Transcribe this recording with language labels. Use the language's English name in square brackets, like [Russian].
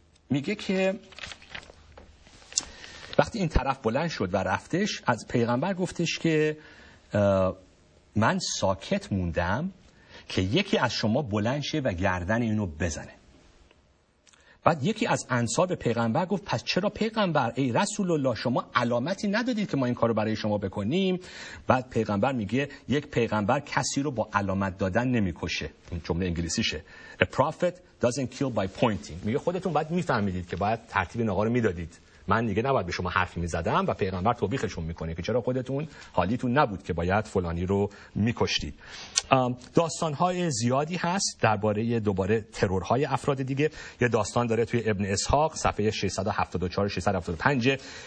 [Persian] میگه که وقتی این طرف بلند شد و رفتش، از پیغمبر گفتش که من ساکت موندم که یکی از شما بلند شه و گردن اینو بزنه. بعد یکی از انصار به پیغمبر گفت پس چرا پیغمبر، ای رسول الله، شما علامتی ندادید که ما این کارو برای شما بکنیم؟ بعد پیغمبر میگه یک پیغمبر کسی رو با علامت دادن نمیکشه. این جمله انگلیسیشه، [English] a prophet doesn't kill by pointing. [Persian] میگه خودتون باید میفهمیدید که باید ترتیب نقا رو میدادید، من دیگه نباید به شما حرفی میزدم. و پیغمبر توبیخشون میکنه که چرا خودتون حالیتون نبود که باید فلانی رو میکشتید. داستان‌های زیادی هست درباره دوباره ترورهای افراد دیگه. یه داستان داره توی ابن اسحاق صفحه 674 675.